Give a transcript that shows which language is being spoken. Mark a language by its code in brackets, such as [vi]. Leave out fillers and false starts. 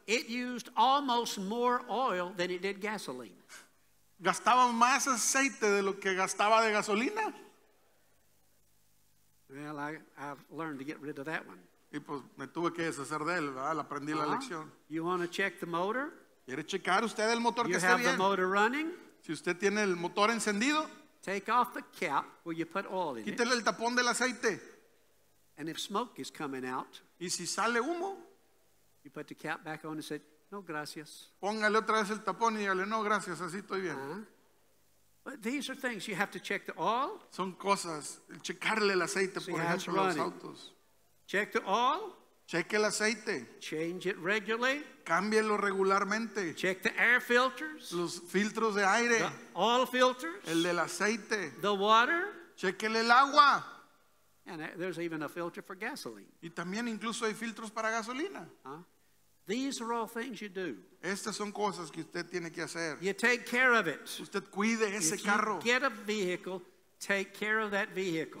[en] It used almost more oil than it did gasoline. [es] Gastaba más aceite de lo que gastaba de gasolina. [en] Well, I've learned to get rid of that one. [es] Y pues me tuve que deshacer de él, ¿verdad? Aprendí la lección. [en] You want to check the motor? [es] ¿Quiere checar usted el motor [en] you have [es] esté bien? [en] The motor running? [es] Si usted tiene el motor encendido. [en] Take off the cap where you put oil in it. [es] Quítele el tapón del aceite. [en] And if smoke is coming out. [es] Y si sale humo. [en] You put the cap back on and said, [es] no, gracias. Póngale otra vez el tapón y dígale, no, gracias, así estoy bien. [en] But these are things you have to check the oil. [es] Son cosas, el checarle el aceite, [en] see [es] por ejemplo, a los autos. [en] Check the oil. [es] Cheque el aceite. [en] Change it regularly. [es] Cámbielo regularmente. [en] Check the air filters. [es] Los filtros de aire. [en] The oil filters. [es] El del aceite. [en] The water. [es] Chequele el agua. [en] And there's even a filter for gasoline. [es] Y también incluso hay filtros para gasolina. [en] These are all things you do. [es] Estas son cosas que usted tiene que hacer. [en] You take care of it. [es] Usted cuide ese carro. [en] If you get a vehicle, take care of that vehicle.